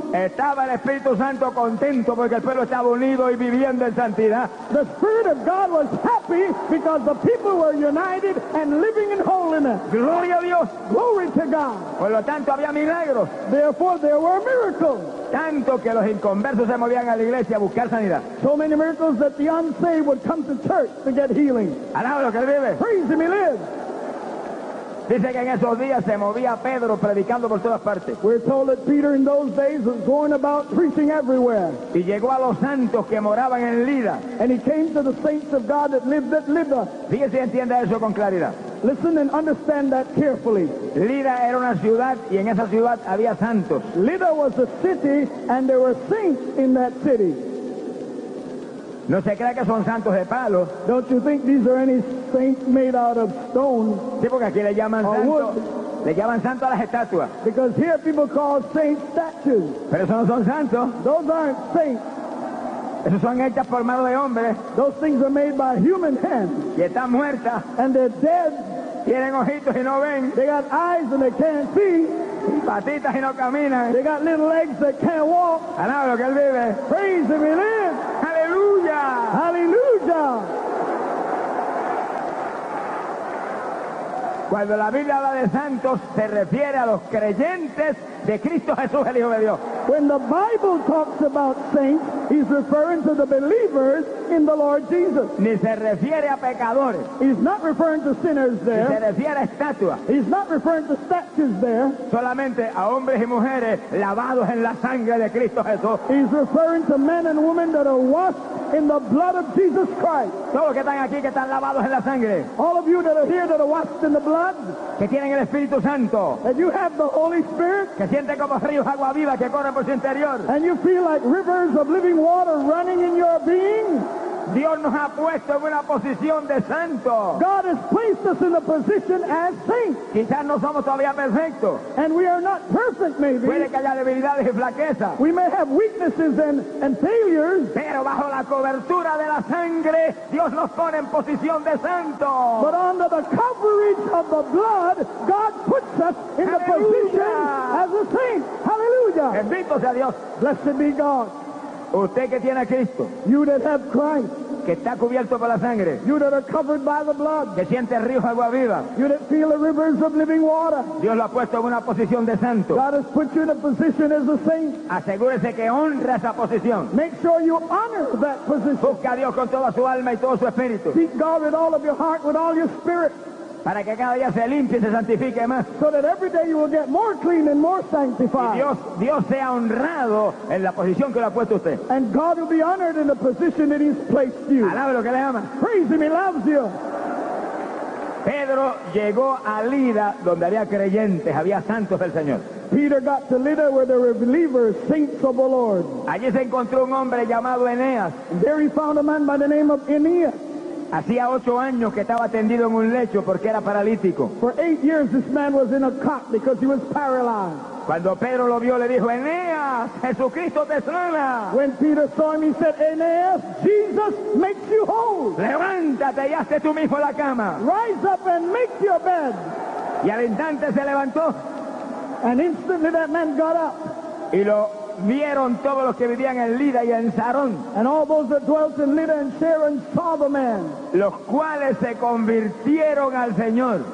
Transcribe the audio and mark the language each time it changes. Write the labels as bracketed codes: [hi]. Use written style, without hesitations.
[es] Estaba el Espíritu Santo contento porque el pueblo estaba unido y viviendo en santidad. [en] The Spirit of God was happy because the people were united and living in holiness. [es] Gloria a Dios. [en] Glory to God. [es] Por lo tanto, había milagros. [en] Therefore, there were miracles. [es] Tanto que los inconversos se movían a la iglesia a buscar sanidad. [en] So many miracles that the unsaved would come to church to get healing. [es] Alábalo que vive. [en] Praise him, he lives. [es] Dice que en esos días se movía Pedro predicando por todas partes. [en] We're told that Peter in those days was going about preaching everywhere. [es] Y llegó a los santos que moraban en Lida. [en] And he came to the saints of God that lived at Lida. [es] Fíjese y entienda eso con claridad. [en] Listen and understand that carefully. [es] Lida era una ciudad y en esa ciudad había santos. [en] Lida was a city and there were saints in that city. [es] No se crea que son santos de palo. [en] Don't you think these are any saints made out of stone? [es] Sí, porque aquí le llaman santos. Le llaman santo a las estatuas. [en] Because here people call saints statues. [es] Pero esos no son santos. [en] Those aren't saints. [es] Esos son hechas por mano de hombre. [en] Those things are made by human hands. [es] Y están muertas. [en] And they're dead. [es] Tienen ojitos y no ven. [en] They got eyes and they can't see. [es] Patitas y no caminan. [en] They got little legs that can't walk. [es] Alaba lo que él vive. [en] Praise him, he lives. [es] Aleluya. Aleluya. Cuando la Biblia habla de santos, se refiere a los creyentes de Cristo Jesús, el Hijo de Dios. [en] When the Bible talks about saints, he's referring to the believers in the Lord Jesus. [es] Ni se refiere a pecadores. [en] He's not referring to sinners there. [es] Ni se refiere a estatuas. [en] He's not referring to statues there. [es] Solamente a hombres y mujeres lavados en la sangre de Cristo Jesús. [en] He's referring to men and women that are washed in the blood of Jesus Christ. [es] Todos los que están aquí que están lavados en la sangre. [en] All of you that are here that are washed in the blood. [es] Que tienen el Espíritu Santo. [en] That you have the Holy Spirit. [es] Que sienten como ríos agua viva que corren por su interior. [en] And you feel like rivers of living water running in your being. [es] Dios nos ha puesto en una posición de santo. [en] God has placed us in a position as saints. [es] Quizás no somos todavía perfectos. [en] And we are not perfect, maybe. [es] Puede que haya debilidades y flaquezas. [en] We may have weaknesses and failures. [es] Pero bajo la cobertura de la sangre, Dios nos pone en posición de santo. [en] But under the coverage of the blood, God puts us in a position as a saint. Hallelujah. [es] Bendito sea Dios. [en] Blessed be God. [es] Usted que tiene a Cristo, [en] you that have Christ, [es] que está cubierto por la sangre, [en] you that are covered by the blood, [es] que siente río de agua viva, [en] you that feel the rivers of living water, [es] Dios lo ha puesto en una posición de santo. [en] God has put you in a position as a saint. [es] Asegúrese que honra esa posición. [en] Make sure you honor that position. [es] Busque a Dios con toda su alma y todo su espíritu. [en] Seek God with all of your heart, with all your spirit. [es] Para que cada día se limpie y se santifique más. [en] So that every day you will get more clean and more sanctified. [es] Y Dios sea honrado en la posición que lo ha puesto usted. [en] And God will be honored in the position that he's placed you. [es] Alábelo que le ama. [en] Praise him, he loves you. [es] Pedro llegó a Lida donde había creyentes, había santos del Señor. [en] Peter got to Lida where there were believers, saints of the Lord. [es] Allí se encontró un hombre llamado Eneas. [en] There he found a man by the name of Aeneas. [es] Hacía 8 años que estaba tendido en un lecho porque era paralítico. [en] For 8 years this man was in a cot because he was paralyzed. [es] Cuando Pedro lo vio le dijo, Eneas, Jesucristo te sana. [en] When Peter saw him he said, Eneas, Jesus makes you whole. [es] Levántate y hazte tú mismo la cama. [en] Rise up and make your bed. [es] Y al instante se levantó. [en] And instantly that man got up. [es] Y lo vieron todos los que vivían en Lida y en Sharon. [en] And all those that dwelt in Lida and Sharon saw the man. [es] Los cuales se convirtieron al Señor.